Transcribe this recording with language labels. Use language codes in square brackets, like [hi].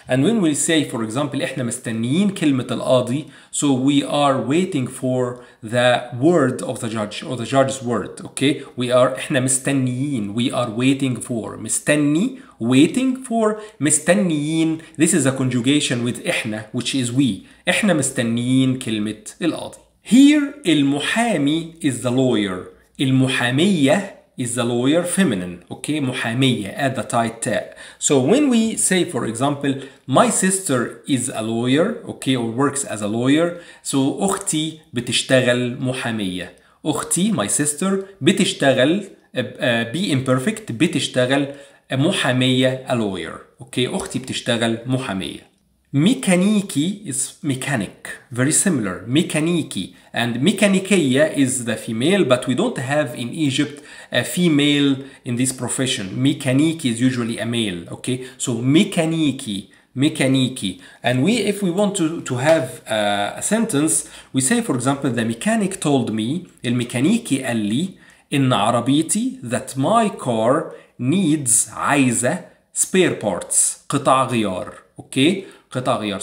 [en] And when we say, for example, [ar] احنا مستنيين كلمة القاضي, [en] so we are waiting for the word of the judge or the judge's word, okay. We are, [ar] احنا مستنيين, [en] we are waiting for, مستني, waiting for, مستنيين. This is a conjugation with احنا, which is we. [ar] احنا مستنيين كلمة القاضي. [en] Here المحامي is the lawyer. المحامية is the lawyer feminine. Okay, محامية at the title. So when we say, for example, my sister is a lawyer, okay, or works as a lawyer. So [ar] أختي بتشتغل محامية. [en] أختي, my sister, بتشتغل be imperfect, بتشتغل محامية, a lawyer. Okay, [ar] أختي بتشتغل محامية. [en] ميكانيكي is mechanic, very similar, ميكانيكي. And ميكانيكية is the female, but we don't have in Egypt a female in this profession. ميكانيكي is usually a male, okay? So ميكانيكي, ميكانيكي. And we, if we want to have a sentence, we say, for example, the mechanic told me, [ar] الميكانيكي قال لي, إن عربيتي, [en] that my car needs, عايزة, spare parts, قطع غيار, okay؟ قطع غيار.